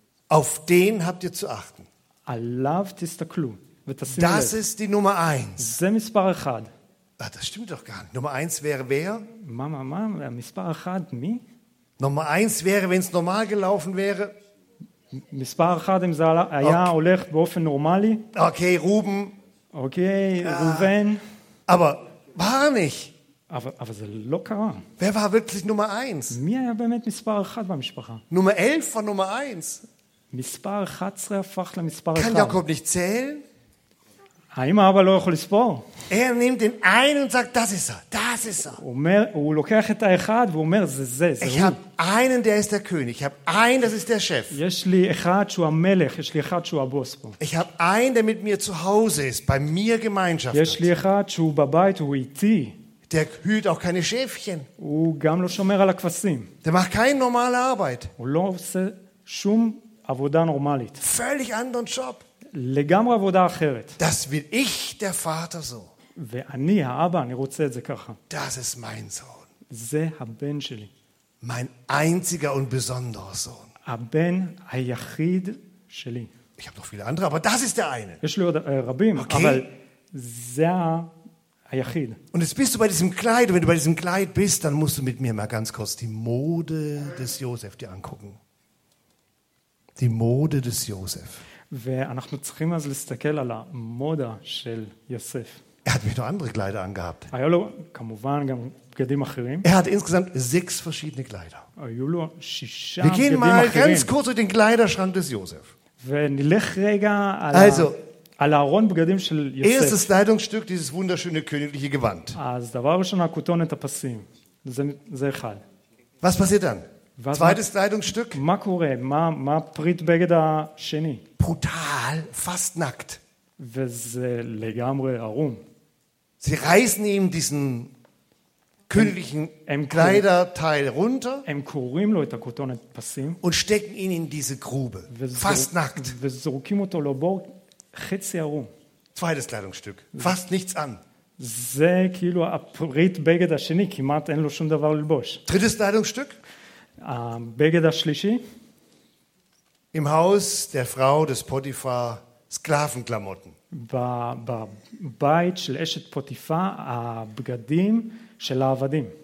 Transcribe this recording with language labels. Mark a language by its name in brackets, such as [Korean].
[German] Auf den habt ihr zu achten. [Hebrew] עליו תסתכלו. [German] Das ist die Nummer 1. [Hebrew] זה מספר 1. [German] Ah, das stimmt doch gar nicht. Nummer 1 wäre wer? [Hebrew] Mama, מספר 1, מי? [German] Nummer 1 wäre, wenn es normal gelaufen wäre. [Hebrew] מספר 1 [German] im Saal, ja, [Hebrew] הולך באופן נורמלי. [German] Okay, Ruben. Okay, Ruben. Aber war nicht. Aber [Hebrew] זה לא קרה. [German] Wer war wirklich Nummer 1? [Hebrew] מי היה באמת מספר 1 במשפחה? [German] Nummer 11 war Nummer 1. [Hebrew] מספר 11 הפך למספר 1. [German] Kann Jakob nicht zählen? [Hebrew] האם האבא לא יכול לספור? [German] Er nimmt den einen und sagt, das ist er, das ist er. [Hebrew] הוא לוקח את האחד ואומר, זה, זה הוא. [German] Ich habe einen, der ist der König. Ich habe einen, das ist der Chef. [Hebrew] יש לי אחד שהוא המלך, יש לי אחד שהוא הבוס פה. [German] Ich habe einen, der mit mir zu Hause ist, bei mir Gemeinschaft. [Hebrew] יש לי אחד שהוא בבית, הוא איתי. [German] Der hüt auch keine Schäfchen. [Hebrew] הוא גם לא שומר על הכבשים. [German] Der macht keine normale Arbeit. [Hebrew] הוא לא עושה שום עבודה נורמלית. [German] Völlig anderen Job. [Hebrew] לגמרי עבודה אחרת. [German] Das will ich, der Vater, so. [Hebrew] ואני, האבא, אני רוצה את זה ככה. [German] Das ist mein Sohn. [Hebrew] זה הבן שלי. [German] Mein einziger und besonderer Sohn. [Hebrew] הבן היחיד שלי. [German] Ich habe noch viele andere, aber das ist der eine. [Hebrew] יש לי עוד רבים, okay. אבל זה היחיד. [German] Und jetzt bist du bei diesem Kleid. Und wenn du bei diesem Kleid bist, dann musst du mit mir mal ganz kurz die Mode des Josef dir angucken. Die Mode des Josef. [Hebrew] ואנחנו צריכים אז להסתכל על המודה של יוסף. [German] Er hat mir noch andere Kleider angehabt. [Hebrew] היו לו כמובן גם בגדים אחרים. [German] Er hat insgesamt 6 verschiedene Kleider. [Hebrew] היו לו 6 בגדים אחרים. [German] Wir gehen mal ganz kurz durch den Kleiderschrank des Josef. [Hebrew] ונלך רגע על, [German] also, [Hebrew] על הארון בגדים של יוסף. [German] Erstes Kleidungsstück, dieses wunderschöne königliche Gewand. [Hebrew] אז דבר ראשון, הכותונת הפסים. זה אחד. [German] Was passiert dann? Zweites Kleidungsstück. [Hebrew] מה קורה? מה פריט בגד השני? [German] Brutal, fast nackt. [Hebrew] וזה לגמרי ערום. [German] Sie reißen ihm diesen königlichen Kleiderteil runter. [Hebrew] Em kurim lo et hakotonet pasim. [German] Und stecken ihn in diese Grube. Fast nackt. [Hebrew] וזורקים אותו לבור חצי ערום. [German] Zweites Kleidungsstück. Fast nichts an. [Hebrew] זה כאילו הפריט בגד השני, כמעט אין לו שום דבר ללבוש. [German] Drittes Kleidungsstück. [Hebrew] בגד השלישי. [German] Im Haus der Frau des Potiphar Sklavenklamotten. [Hebrew] בבית של אשת פוטיפר, הבגדים של העבדים.